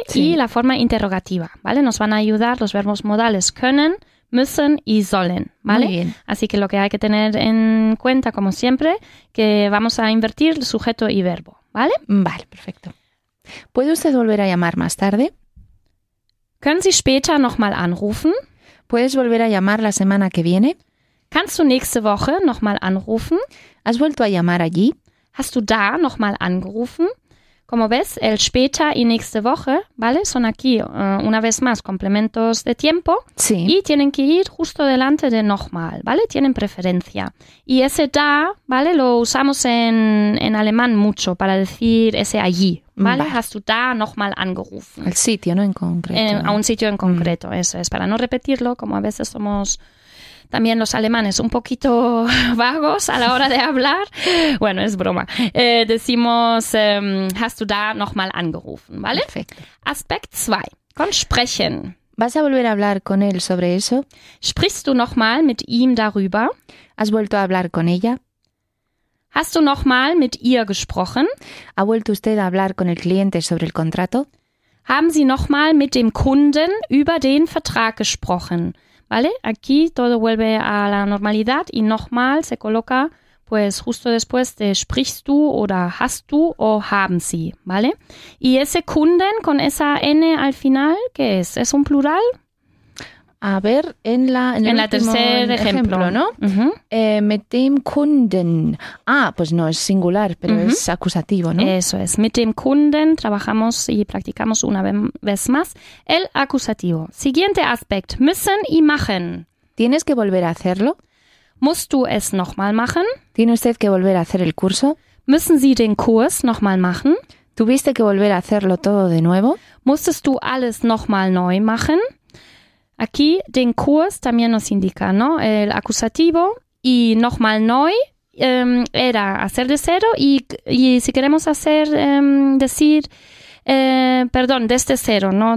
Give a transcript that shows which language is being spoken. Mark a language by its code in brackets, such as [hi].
[es] Sí. Y la forma interrogativa, ¿vale? Nos van a ayudar los verbos modales können, müssen y sollen, ¿vale? Muy bien. Así que lo que hay que tener en cuenta, como siempre, que vamos a invertir sujeto y verbo, ¿vale? Vale, perfecto. ¿Puede usted volver a llamar más tarde? [de] Können Sie später nochmal anrufen? [es] ¿Puedes volver a llamar la semana que viene? [de] Kannst du nächste Woche nochmal anrufen? [es] Has vuelto a llamar allí? [de] Hast du da nochmal angerufen? [es] Como ves, el später y nächste Woche, ¿vale? Son aquí, una vez más, complementos de tiempo. Sí. Y tienen que ir justo delante de nochmal, ¿vale? Tienen preferencia. Y ese da, ¿vale? Lo usamos en alemán mucho para decir ese allí, ¿vale? Bah. [de] Hast du da nochmal angerufen? [es] El sitio, ¿no? En concreto. A un sitio en concreto, eso es. Para no repetirlo, como a veces somos... También los alemanes, un poquito vagos a la hora de hablar. Bueno, es broma. Decimos, [de] hast du da nochmal angerufen, [es] ¿vale? Perfecto. Aspekt 2, con sprechen. ¿Vas a volver a hablar con él sobre eso? [de] Sprichst du nochmal mit ihm darüber? [es] ¿Has vuelto a hablar con ella? [de] Hast du nochmal mit ihr gesprochen? [es] ¿Ha vuelto usted a hablar con el cliente sobre el contrato? [de] Haben Sie nochmal mit dem Kunden über den Vertrag gesprochen? [es] ¿Vale? Aquí todo vuelve a la normalidad y nochmal se coloca pues justo después de [de] sprichst du oder hast du [es] o [de] haben sie, [es] ¿vale? Y ese Kunden con esa N al final, ¿qué es? ¿Es un plural? A ver, en el tercer ejemplo, ¿no? Uh-huh. [de] Mit dem Kunden. [es] Ah, pues no, es singular, pero uh-huh. Es acusativo, ¿no? Eso es. [de] Mit dem Kunden [es] trabajamos y practicamos una vez más el acusativo. Siguiente aspect. Müssen y machen. ¿Tienes que volver a hacerlo? [de] Musst du es nochmal machen? [es] ¿Tiene usted que volver a hacer el curso? [de] Müssen Sie den Kurs nochmal machen? [es] ¿Tuviste que volver a hacerlo todo de nuevo? [de] Musstest du alles nochmal neu machen? [es] Aquí, den Kurs también nos indica, ¿no? El acusativo y [de] nochmal neu [es] era hacer de cero y si queremos hacer, decir, perdón, desde cero, ¿no?